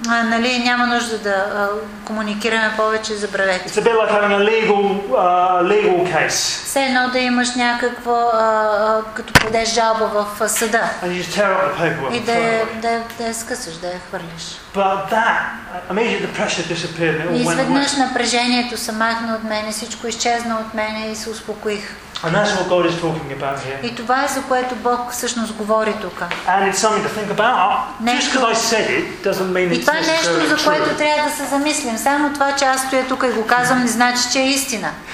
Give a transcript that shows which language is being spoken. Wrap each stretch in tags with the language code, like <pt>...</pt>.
<bg>Нали, няма нужда да комуникираме повече, забравете.</bg> <en>It's a bit like having a legal case.</en> <bg>Все едно да имаш някакво, като подеш жалба в съда.</bg> <en>And you just tear up the paperwork.</en> <bg>И да я скъсаш, да я хвърлиш.</bg> <en>But that, immediately the pressure disappeared.</en> <bg>И изведнъж напрежението се махна от мене, всичко изчезна от мене и се успокоих.</bg> <en>And that's what God is talking about here.</en> <bg>И това е за което Бог всъщност говори тук.</bg> <en>And it's something to think about. Just because I said it doesn't mean it's.</en> <bg>И това нещо, за което трябва да се замислим. Само това, че аз стоя тук и го казвам, не значи, че е истина.</bg>